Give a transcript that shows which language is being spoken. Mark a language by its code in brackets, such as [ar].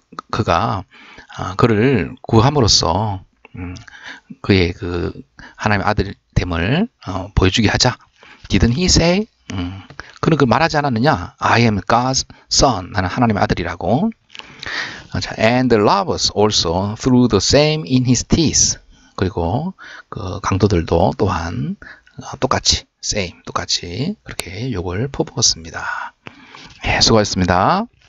[ko] 그가 그를 구함으로써 그의 그 하나님의 아들됨을 보여주게 하자. [en] Didn't he say? [ko] 그는 그 말하지 않았느냐? [en] I am God's son. [ko] 나는 하나님의 아들이라고. [en] And the lovers also threw the same in his teeth. [ko] 그리고 그 강도들도 또한 똑같이, same, 똑같이 그렇게 욕을 퍼부었습니다. 예, 수고하셨습니다.